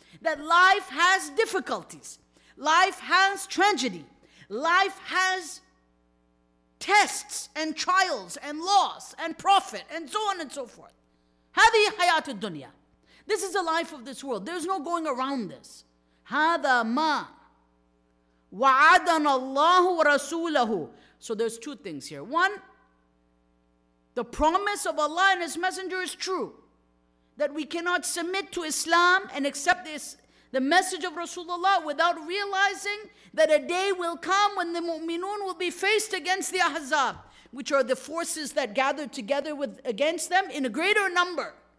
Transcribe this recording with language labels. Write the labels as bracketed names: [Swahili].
[English] That life has difficulties. Life has tragedy. Life has tests and trials and loss and profit and so on and so forth. [Arabic] هذه حياة الدنيا. [English] This is the life of this world. There's no going around this. [Arabic] هذا ما وعدنا الله ورسوله. [English] So there's two things here. One, the promise of Allah and His Messenger is true. That we cannot submit to Islam and accept this, the message of Rasulullah without realizing that a day will come when the mu'minun will be faced against the ahzab, which are the forces that gathered together with against them in a greater number.